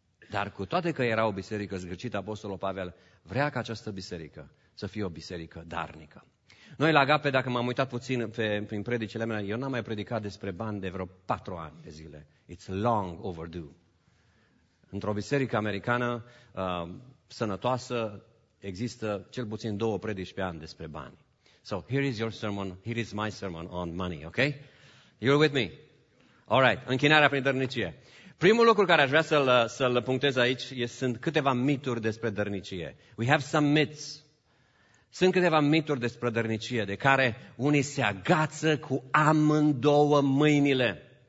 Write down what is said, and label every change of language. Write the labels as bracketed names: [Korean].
[Romanian] Dar cu toate că era o biserică zgârcită, apostolul Pavel vrea ca această biserică să fie o biserică darnică. Noi la Agape, dacă m-am uitat puțin prin predicile mele, eu n-am mai predicat despre bani de vreo 4 ani de zile. [English] It's long overdue. [Romanian] Într-o biserică americană sănătoasă există cel puțin 2 predici pe an despre bani. [English] So here is your sermon, here is my sermon on money, ok? You're with me? All right, [Romanian] închinarea prin dărnicie. Primul lucru care aș vrea să-l punctez aici sunt câteva mituri despre dărnicie. [English] We have some myths. [Romanian] Sunt câteva mituri despre dărnicie, de care unii se agață cu amândouă mâinile.